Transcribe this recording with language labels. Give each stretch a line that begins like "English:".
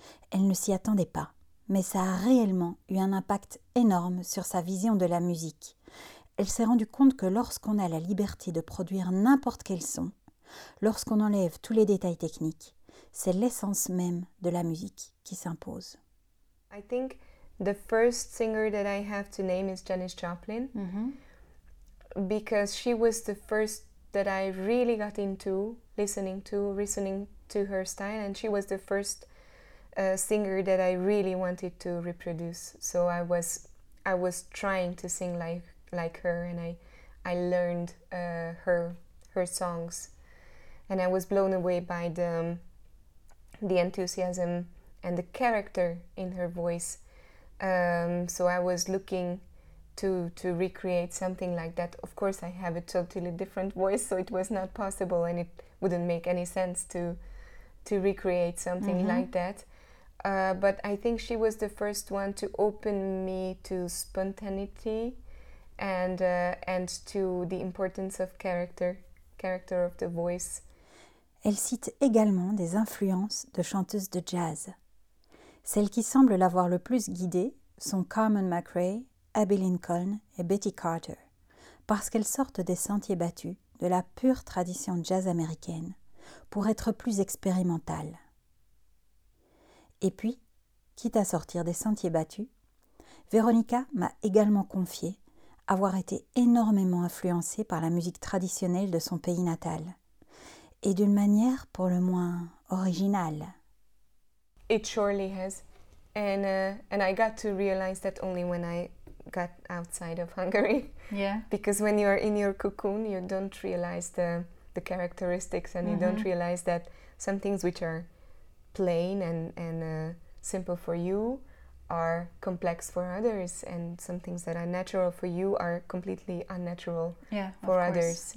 French: Elle ne s'y attendait pas, mais ça a réellement eu un impact énorme sur sa vision de la musique. Elle s'est rendue compte que lorsqu'on a la liberté de produire n'importe quel son, lorsqu'on enlève tous les détails techniques, c'est l'essence même de la musique qui s'impose.
English: I think the first singer that I have to name is Janis Joplin. Mm-hmm. Because she was the first that I really got into listening to her style, and she was the first singer that I really wanted to reproduce. So I was trying to sing like her, and I learned her songs, and I was blown away by the enthusiasm and the character in her voice. So I was looking to recreate something like that. Of course, I have a totally different voice, so it was not possible, and it wouldn't make any sense to recreate something mm-hmm. like that. But I think she was the first one to open me to spontaneity and to the importance of character of the voice.
French: Elle cite également des influences de chanteuses de jazz. Celles qui semblent l'avoir le plus guidée sont Carmen McRae, Abby Lincoln et Betty Carter, parce qu'elles sortent des sentiers battus de la pure tradition jazz américaine pour être plus expérimentales. Et puis, quitte à sortir des sentiers battus, Veronica m'a également confié avoir été énormément influencée par la musique traditionnelle de son pays natal, et d'une manière pour le moins originale.
English: It surely has, and I got to realize that only when I got outside of Hungary. Yeah. Because when you are in your cocoon, you don't realize the characteristics, and mm-hmm. you don't realize that some things which are plain and simple for you are complex for others, and some things that are natural for you are completely unnatural for others.